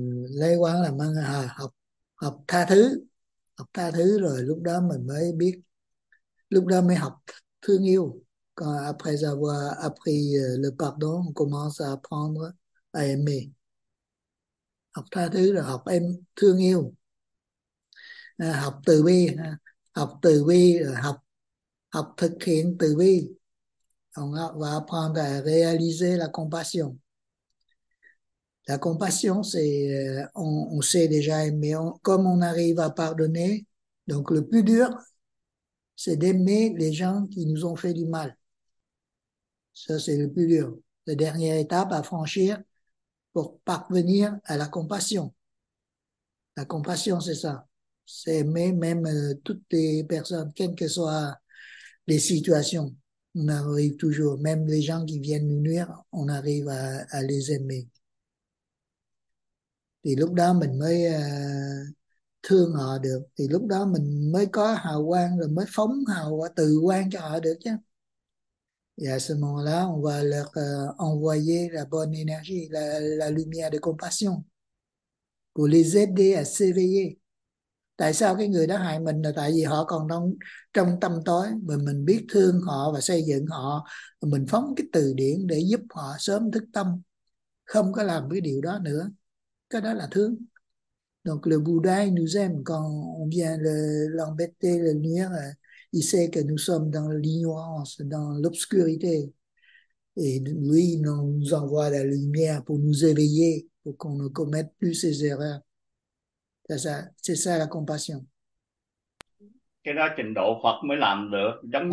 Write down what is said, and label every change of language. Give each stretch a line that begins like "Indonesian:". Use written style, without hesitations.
Vietnamese: Lấy quán làm ăn à, học học tha thứ. Học tha thứ rồi lúc đó mình mới biết, lúc đó mới học thương yêu. Còn
French: après avoir appris le pardon, on commence à apprendre à aimer.
Vietnamese: Học tha thứ rồi học em thương yêu. Học từ bi, học từ bi rồi học học thực hiện từ bi.
French: On va apprendre à réaliser la compassion. La compassion, c'est on sait déjà aimer. Comme on arrive à pardonner, donc le plus dur, c'est d'aimer les gens qui nous ont fait du mal. Ça, c'est le plus dur. La dernière étape à franchir pour parvenir à la compassion. La compassion, c'est ça. C'est aimer même toutes les personnes, quelles que soient les situations. On arrive toujours, même les gens qui viennent nous nuire, on arrive à les aimer.
Vietnamese: Thì lúc đó mình mới thương họ được, thì lúc đó mình mới có hào quang, rồi mới phóng hào quang, từ quang cho họ được chứ.
French: Et à ce moment-là, on va leur envoyer la bonne énergie, la lumière de compassion, pour les aider à s'éveiller.
Vietnamese: Tại sao cái người đó hại mình là tại vì họ còn trong trong tâm tối, mà mình biết thương họ và xây dựng họ, mình phóng cái từ điển để giúp họ sớm thức tâm, không có làm cái điều đó nữa. Cái đó là thương.
French: Donc le Bouddha nous aime quand on vient l'embêter, le nuire. Il sait que nous sommes dans l'ignorance, dans l'obscurité. Et lui, on nous envoie la lumière pour nous éveiller, pour qu'on ne commette plus ces erreurs. C'est ça la compassion.
Vietnamese: Cái đó trình độ Phật mới làm được, giống